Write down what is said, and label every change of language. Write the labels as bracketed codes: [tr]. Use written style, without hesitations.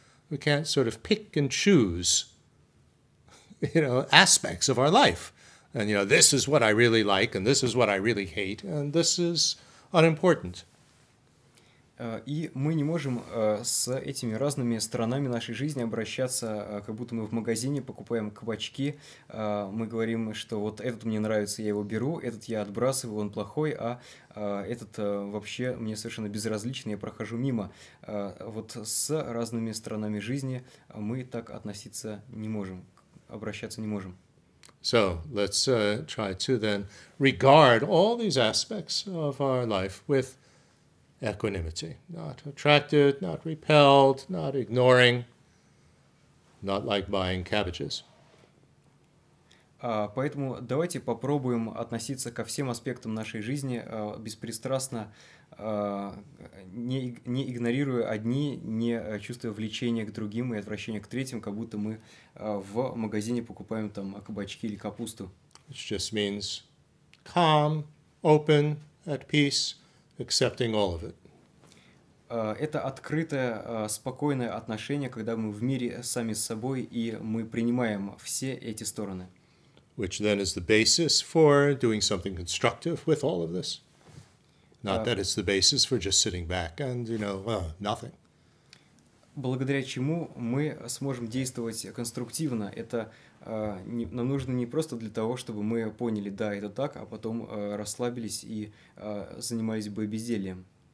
[en] We can't sort of pick and choose, you know, aspects of our life. And, you know, this is what I really like, and this is what I really hate, and this is unimportant. [ru] И мы не можем с этими разными сторонами нашей жизни обращаться, как будто мы в магазине покупаем кабачки. Мы говорим, что вот этот мне нравится, я его беру, этот я отбрасываю, он плохой, а этот вообще мне совершенно безразличен, я прохожу мимо. Вот с разными сторонами жизни мы так относиться не можем, обращаться не можем. [en] So, let's try to then regard all these aspects of our life with equanimity, not attracted, not repelled, not ignoring, not like buying cabbages. [ru] Поэтому давайте попробуем относиться ко всем аспектам нашей жизни беспристрастно, не игнорируя одни, не чувствуя влечения к другим и отвращения к третьим, как будто мы в магазине покупаем там кабачки или капусту. [en] Which just means calm, open, at peace, accepting all of it. [ru] Это открытое, спокойное отношение, когда мы в мире сами с собой, и мы принимаем все эти стороны. [en] Which then is the basis for doing something constructive with all of this. Not that it's the basis for just sitting back and, you know, nothing. [ru] Благодаря чему мы сможем действовать конструктивно. Это нам нужно не просто для того, чтобы мы поняли, да, это так, а потом расслабились и занимались бы бездельем.